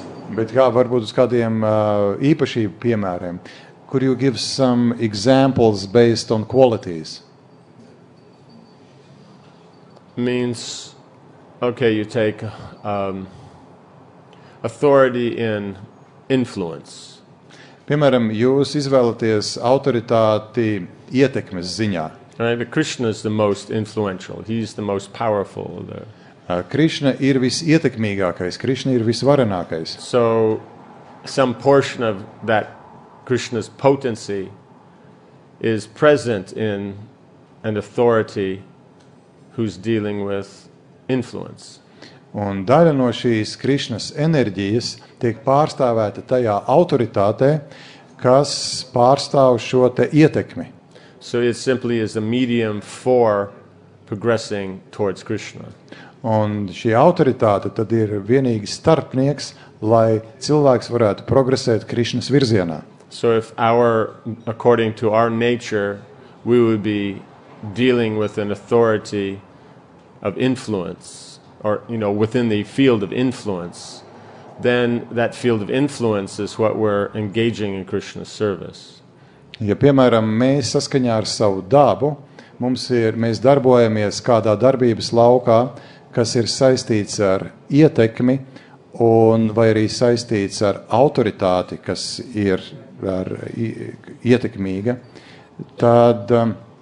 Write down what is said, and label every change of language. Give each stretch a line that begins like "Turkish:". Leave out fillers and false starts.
Latvian: Bet kā varbūt uz kādiem īpašību piemēriem?
English: Could you give some examples based on qualities? Means, okay, you take authority in influence.
Latvian: Piemēram, jūs izvēlaties autoritāti ietekmes ziņā.
English: Right, Krishna is the most influential. He is the most powerful.
Latvian: Krishna ir visietekmīgākais, Krishna ir visvarenākais.
English: So, some portion of that Krishna's potency is present in an authority who's dealing with influence.
Latvian: Un daļa no šīs Krišnas enerģijas tiek pārstāvēta tajā autoritātē, kas pārstāv šo te ietekmi.
English: So it simply is a medium for progressing towards Krishna.
Latvian: Un šī autoritāte tad ir vienīgi starpnieks, lai cilvēks varētu progresēt Krišnas virzienā.
English: So if our, according to our nature, we would be dealing with an authority of influence, or, you know, within the field of influence, then that field of influence is what we're engaging in Krishna's service.
Latvian: Ja, piemēram, mēs saskaņā ar savu dabu, mēs darbojamies kādā darbības laukā, kas ir saistīts ar ietekmi, un vai arī saistīts ar autoritāti, kas ir ar ietekmīga, tad...